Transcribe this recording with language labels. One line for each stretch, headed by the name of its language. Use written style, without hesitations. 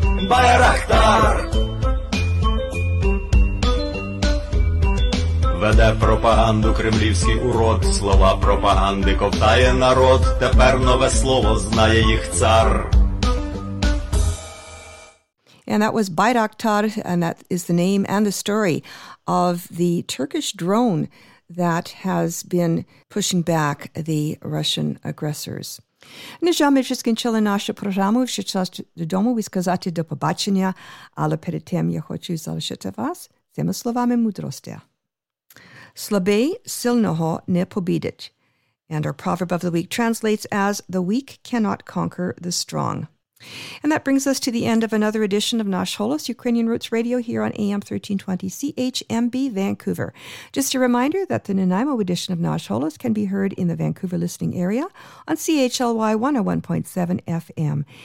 Ukrainian: Байрактар. Веде пропаганду кремлівський урод, слова пропаганди ковтає народ. Тепер нове слово знає їх цар.
English: And that was Bayraktar, and that is the name and the story of the Turkish drone that has been pushing back the Russian aggressors.
Ukrainian: Нежам ми скінчили нашу програму, що час додому висказати до побачення, але перед тим я хочу залишити вас цими словами мудрості. Слабий сильного не побідить.
English: And our proverb of the week translates as, the weak cannot conquer the strong. And that brings us to the end of another edition of Nash Holos, Ukrainian Roots Radio, here on AM 1320 CHMB Vancouver. Just a reminder that the Nanaimo edition of Nash Holos can be heard in the Vancouver listening area on CHLY 101.7 FM.